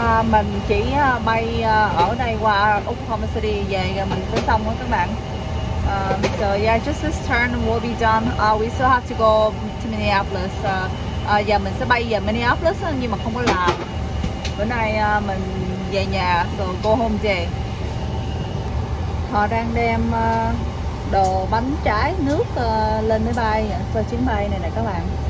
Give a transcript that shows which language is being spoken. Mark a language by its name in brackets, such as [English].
[Vietnamese] Mình chỉ bay ở đây qua Oklahoma City về rồi mình sẽ xong rồi các bạn. [English] So yeah, just this turn will be done. We still have to go to Minneapolis. [Vietnamese] Mình sẽ bay về Minneapolis nhưng mà không có làm. Bữa nay mình về nhà, [English] so go home day. [Vietnamese] Họ đang đem đồ bánh trái nước lên máy bay cho chuyến bay này nè các bạn.